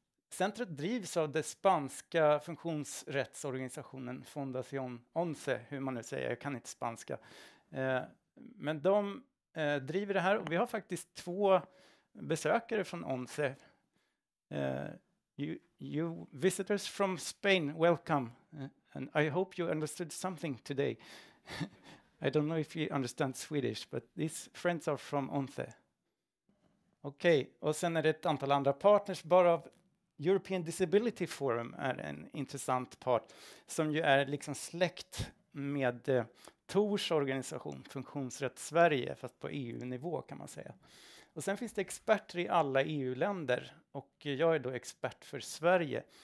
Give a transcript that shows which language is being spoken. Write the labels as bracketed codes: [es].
[sv] Centret drivs av det spanska funktionsrättsorganisationen Fundación ONCE, hur man nu säger, jag kan inte spanska. Men de driver det här och vi har faktiskt två besökare från ONCE. [en] You visitors from Spain, welcome. And I hope you understood something today. I don't know if you understand Swedish, but these friends are from ONCE. [sv] Okej, och sen är det ett antal andra partners, bara av European Disability Forum är en intressant part som ju är liksom släkt med TORs organisation, Funktionsrätt Sverige, fast på EU-nivå kan man säga. Och sen finns det experter i alla EU-länder och jag är då expert för Sverige.